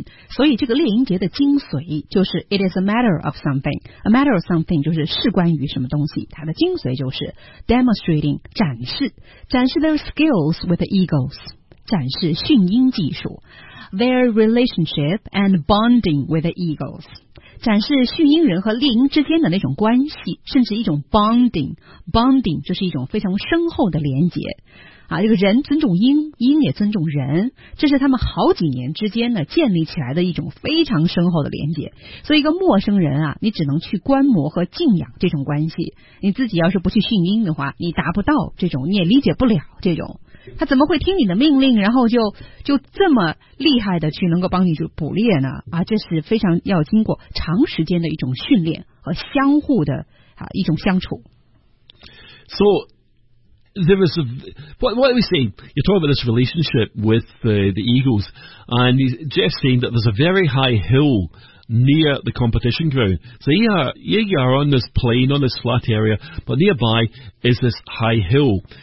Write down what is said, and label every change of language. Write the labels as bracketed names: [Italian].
[Chinese] 所以这个猎鹰节的精髓就是 [English] it is a matter of something. A matter of something [Chinese] 就是事关于什么东西。它的精髓就是 [English] demonstrating, 展示 their skills with the eagles, [Chinese] 展示训鹰技术。 [English] Their relationship and bonding with the eagles. [Chinese] 展示畜鹰人和猎鹰之间的那种关系，甚至一种 bonding， bonding 就是一种非常深厚的连结啊，这个人尊重鹰，鹰也尊重人，这是他们好几年之间呢建立起来的一种非常深厚的连结。所以一个陌生人啊，你只能去观摩和敬仰这种关系，你自己要是不去训鹰的话，你达不到这种，你也理解不了这种，他怎么会听你的命令，然后就这么厉害的去能够帮你去捕猎呢？啊，这是非常要经过长时间的一种训练和相互的啊一种相处。 [English] So,there was what are we seeing? You're talking about this relationship with the eagles, and Jeff's saying that there's a very high hill near the competition ground. So you are on this plain, on this flat area, but nearby is this high hill.